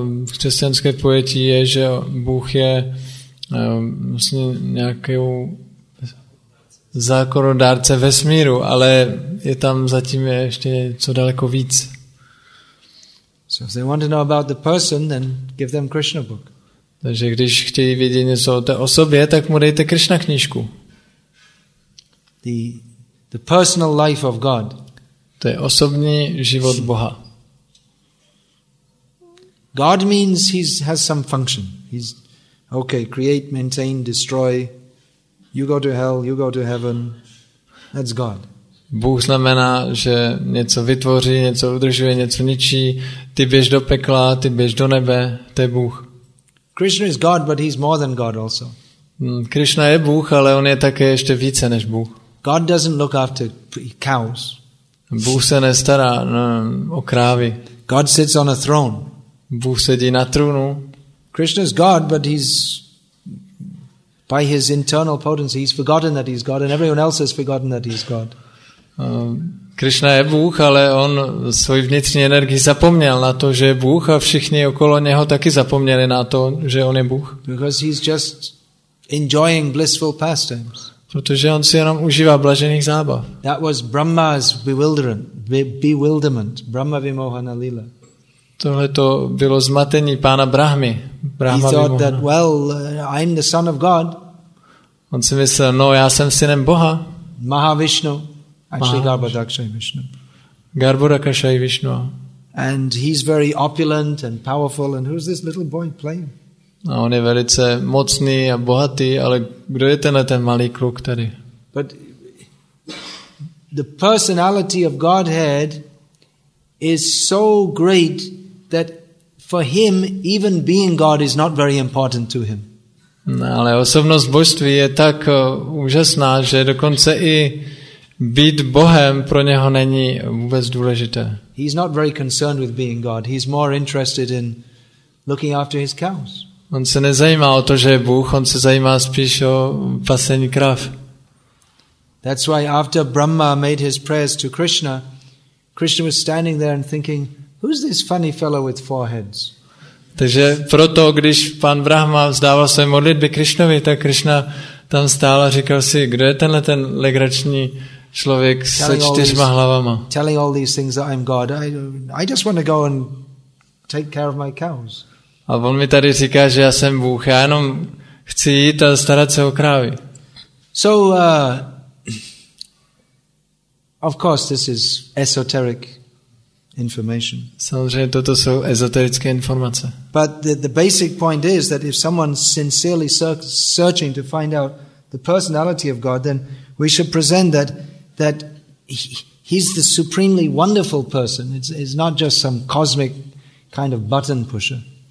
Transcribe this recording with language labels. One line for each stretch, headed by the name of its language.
Czech: Křesťanské pojetí je, že Bůh je vlastně nějaký zákonodárce vesmíru, ale je tam zatím ještě co daleko víc.
English: So if they want to know about the person, then give them Krishna book.
Czech: Takže když chtějí vědět něco o té osobě, tak mu dejte Krishna knížku.
English: The personal life of God.
Czech: To je osobní život Boha.
English: God means has some function. He's okay, create, maintain, destroy. You go to hell, you go to heaven. That's God.
Czech: Bůh znamená, že něco vytvoří, něco udržuje, něco ničí. Ty běž do pekla, ty běž do nebe, to je Bůh.
English: Krishna is God, but he's more than God also.
Czech: Krishna je Bůh, ale on je také ještě více než Bůh.
English: God doesn't look after cows.
Czech: Bůh se nestará o krávy.
English: God sits on a throne.
Czech: Bůh sedí na trůnu.
English: Krishna is God, but he's by his internal potency, he's forgotten that he's God, and everyone else has forgotten that he's God.
Czech: Krishna je Bůh, ale on svoji vnitřní energii zapomněl na to, že je Bůh, a všichni okolo něho taky zapomněli na to, že on je Bůh.
English: Because he's just enjoying blissful pastimes.
Czech: Protože on si jenom užívá blažených zábav.
English: That was Brahma's bewilderment, Brahma Vimohana Lila.
Czech: Tohle to bylo zmatení pána Brahmy.
English: Brahma Vimohana. He thought that, well, I'm the son of God.
Czech: On si myslel, no, já jsem synem Boha.
English: Mahavishnu. Actually, Garbhodakshay Vishnu.
Czech: Garbhodakshay Vishnu.
English: And he's very opulent and powerful. And who's this little boy playing?
Czech: A on je velice mocný a bohatý, ale kdo je ten malý kluk tady?
English: But the personality of Godhead is so great that for him, even being God is not very important to him.
Czech: No, ale osobnost božství je tak úžasná, že dokonce i být Bohem pro něho není vůbec důležité.
English: He's not very concerned with being God. He's more interested in looking after his cows.
Czech: On se nezajímá o to, že je Bůh, on se zajímá spíš o pasení krav.
English: That's why after Brahma made his prayers to Krishna, Krishna was standing there and thinking, who's this funny fellow with four heads?
Czech: Takže proto, když pan Brahma vzdával své modlitby Krishnovi, tak Krishna tam stál a říkal si, kdo je tenhle ten legrační člověk se čtyřma hlavama.
English: Telling all these things that I'm God. I just want to go and take care of my cows.
Czech: A on mi tady říká, že já jsem Bůh. Já jenom chci jít a starat se o krávy.
English: So of course this is esoteric information.
Czech: Samozřejmě toto jsou ezoterické informace.
English: But the basic point is that if someone's sincerely searching to find out the personality of God, then we should present that he's the supremely wonderful person. It's not just some cosmic kind of button pusher.